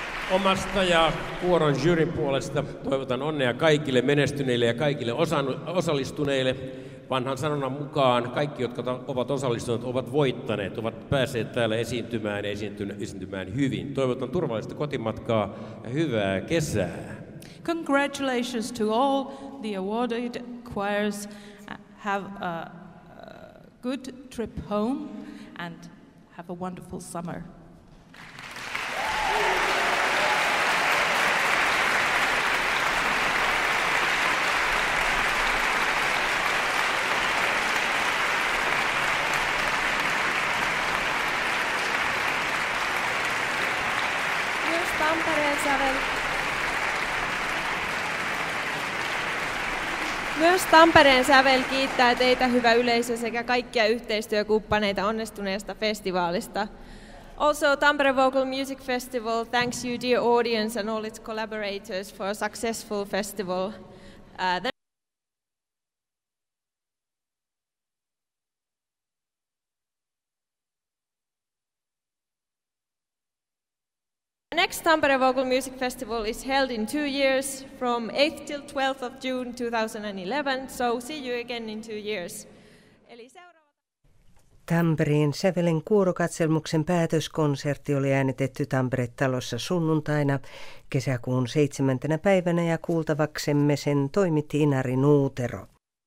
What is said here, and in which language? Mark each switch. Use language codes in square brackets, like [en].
[fi] Omasta ja kuoron jyrin puolesta toivotan onnea kaikille menestyneille ja kaikille osallistuneille. Vanhan sanonnan mukaan kaikki, jotka ovat osallistuneet, ovat voittaneet, ovat päässeet täällä esiintymään ja esiintymään hyvin. Toivotan turvallista kotimatkaa ja hyvää kesää. [en] Congratulations to all the awarded choirs. Have a good trip home and have a wonderful summer. [fi] Myös Tampereen sävel kiittää teitä, hyvä yleisö, sekä kaikkia yhteistyökumppaneita onnistuneesta festivaalista. [en] Also, Tampere Vocal Music Festival thanks you, dear audience, and all its collaborators for a successful festival. The next Tampere Vocal Music Festival is held in 2 years, from 8th till 12th of June 2011, so see you again in 2 years. [fi] Tampereen sävelen kuorokatselmuksen päätöskonsertti oli äänitetty Tampere-talossa sunnuntaina kesäkuun 7. päivänä ja kuultavaksemme sen toimitti Inari Nuutero.